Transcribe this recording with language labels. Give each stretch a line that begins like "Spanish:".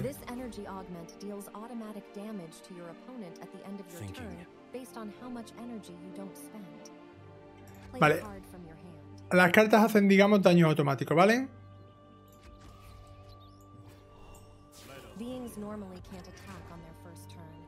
English: This energy augment deals automatic damage to your opponent at the end of your turn based on how much energy you don't spend.
Spanish: Vale. Las cartas hacen, digamos, daño automático, ¿vale?
English: Beings normally can't attack on their first turn.